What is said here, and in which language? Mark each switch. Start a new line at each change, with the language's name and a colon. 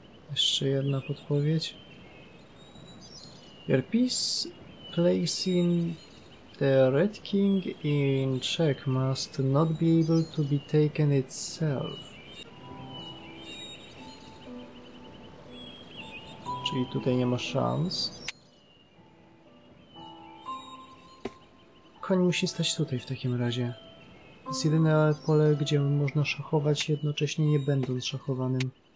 Polish: Jeszcze jedna podpowiedź.
English: Your piece placing the Red King in check must not be able to be taken itself.
Polish: Czyli tutaj nie ma szans. Koń musi stać tutaj w takim razie. To jest jedyne pole, gdzie można szachować jednocześnie nie będąc szachowanym.